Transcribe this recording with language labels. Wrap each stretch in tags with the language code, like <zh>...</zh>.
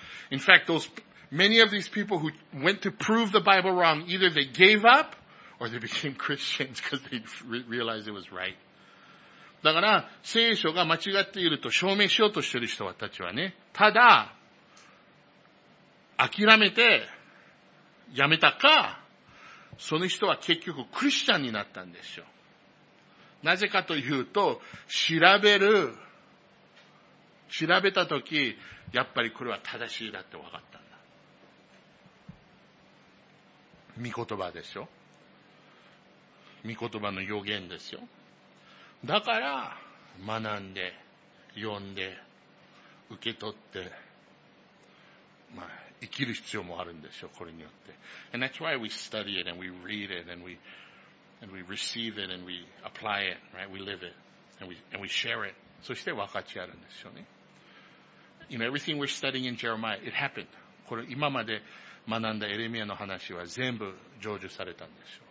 <en>In fact, many of these people who went to prove the Bible wrong, either they gave up or they became Christians because they realized it was right.</en> <ja>だから、聖書が間違っていると証明しようとしてる人たちはね、ただ、諦めて、やめたか、その人は結局クリスチャンになったんでしょう。なぜかというと、調べたとき、やっぱりこれは正しいだって分かったんだ。御言葉でしょ。御言葉の予言ですよ。だから、学んで、読んで、受け取って、まあ、生きる必要もあるんでしょう、これによって。</ja> <en>And that's why we study it and we read it and we receive it and we apply it, right? We live it and we share it.</en> <ja>そして分かち合うんですよね。</ja> <en>You know, everything we're studying in Jeremiah, it happened.</en> <ja>これ今まで学んだエレミアの話は全部成就されたんですよ。</ja>